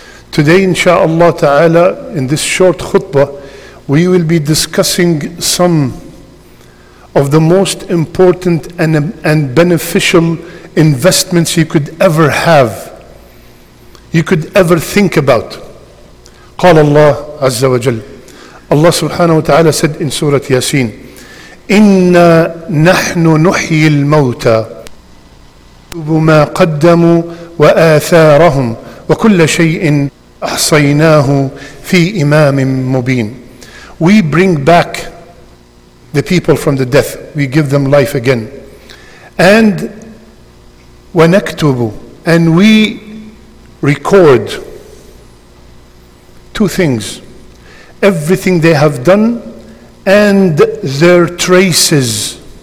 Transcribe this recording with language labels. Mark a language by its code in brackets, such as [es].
[en] Today, insha'Allah ta'ala, in this short khutbah, we will be discussing some of the most important and beneficial investments you could ever have, you could ever think about. [ar] قال الله عز وجل. [en] Allah subhanahu wa ta'ala said in Surah Yasin, [ar] إِنَّا نَحْنُ نُحْيِي الْمَوْتَى نَكْتُبُ مَا قَدَّمُوا وَآثَارَهُمْ وَكُلَّ شَيْءٍ أَحْصَيْنَاهُ فِي إِمَامٍ مُبِينٍ. [en] We bring back the people from the death. We give them life again. And وَنَكْتُبُ, and we record two things: everything they have done and their traces.